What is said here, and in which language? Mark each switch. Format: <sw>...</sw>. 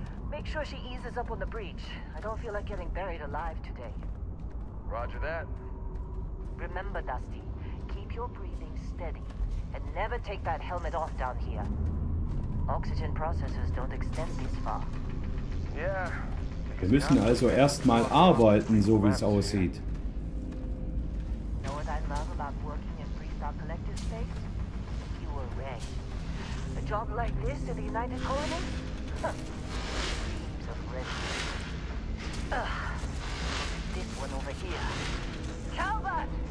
<en>Make sure she eases up on the breach. I don't feel like getting buried alive today. Roger that. Remember, Dusty, keep your breathing steady and never take that helmet off down here. Oxygen processors don't extend this far. Yeah.</en> <de>Wir müssen also erstmal arbeiten, so wie es aussieht.</de> <en>Know what I love about working in Freestar Collective Space? You were ready. A job like this in the United Colony? Dreams of red. This one over here. Calvert!</en>